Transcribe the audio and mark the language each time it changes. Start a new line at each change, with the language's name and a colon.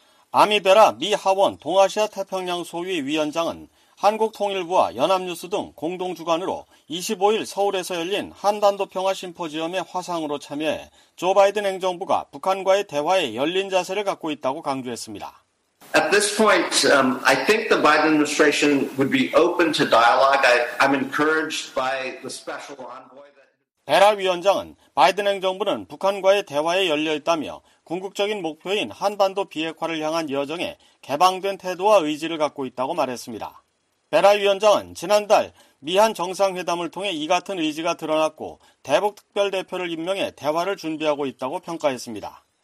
Korean: 아미베라 미 하원 동아시아 태평양 소위 위원장은 한국통일부와 연합뉴스 등 공동주관으로 25일 서울에서 열린 한반도 평화 심포지엄의 화상으로 참여해 조 바이든 행정부가 북한과의 대화에 열린 자세를 갖고 있다고 강조했습니다.
English: At this point, I think the Biden administration would be open to dialogue. I'm encouraged by the special envoy.
Korean: 베라 위원장은 바이든 행정부는 북한과의 대화에 열려 있다며 궁극적인 목표인 한반도 비핵화를 향한 여정에 개방된 태도와 의지를 갖고 있다고 말했습니다. 베라 위원장은 지난달 미한 정상회담을 통해 이 같은 의지가 드러났고 대북특별대표를 임명해 대화를 준비하고 있다고 평가했습니다.